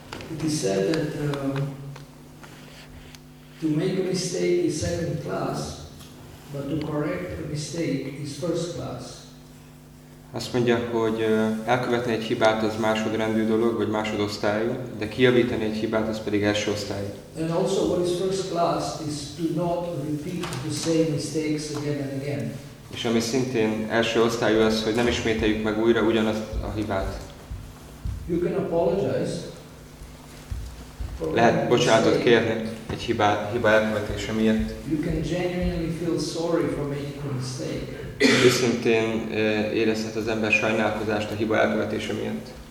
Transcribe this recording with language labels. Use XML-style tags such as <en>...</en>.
<en>It is said that to make a mistake is second class, but to correct a mistake is first class.</en> <hu>Azt mondja, hogy elkövetni egy hibát az másodrendű dolog, vagy másodosztályú, de kijavítani egy hibát az pedig első osztályú.</hu> <en>And also what is first class is to not repeat the same mistakes again and again.</en> <hu>És ami szintén első osztályú az, hogy nem ismételjük meg újra ugyanazt a hibát.</hu> <en>You can apologize.</en> <hu>Lehet bocsánatot kérni egy hiba elkövetése miatt.</hu> <en>You can genuinely feel sorry for making a mistake.</en> <hu>Őszintén érezhet az ember sajnálkozást a hiba elkövetése miatt.</hu>